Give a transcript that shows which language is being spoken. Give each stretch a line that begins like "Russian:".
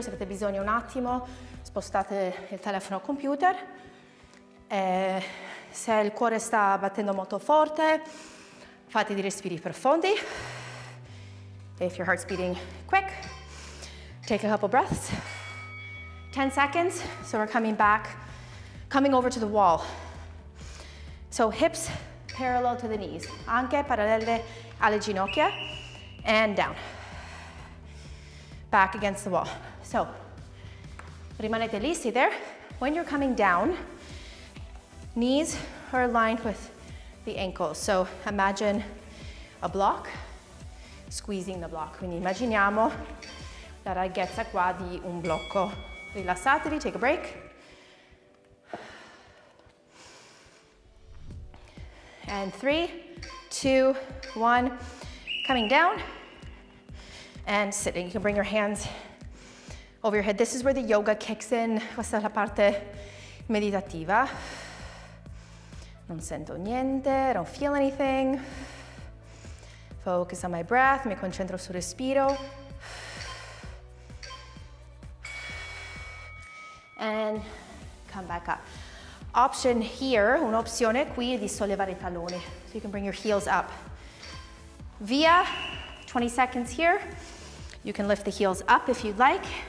Italian: Se avete bisogno un attimo, spostate il telefono al computer. Se il cuore sta battendo molto forte, fate dei respiri profondi.
English: If your heart's beating quick, take a couple breaths. 10 seconds, so we're coming back. Coming over to the wall. So hips parallel to the knees.
Italian: Anche parallele alle ginocchia.
English: And down. Back against the wall. So,
Italian: rimanete lì,
English: stay there. When you're coming down, knees are aligned with the ankles. So imagine a block, squeezing the block.
Italian: Quindi immaginiamo la larghezza qua di un blocco. Rilassatevi,
English: take a break. And 3, 2, 1, coming down and sitting. You can bring your hands over your head. This is where the yoga kicks in.
Italian: Questa è la parte meditativa. Non sento niente,
English: I don't feel anything. Focus on my breath,
Italian: mi concentro sul respiro.
English: And come back up. Option here,
Italian: un'opzione qui è di sollevare I talloni.
English: So you can bring your heels up. Via, 20 seconds here. You can lift the heels up if you'd like.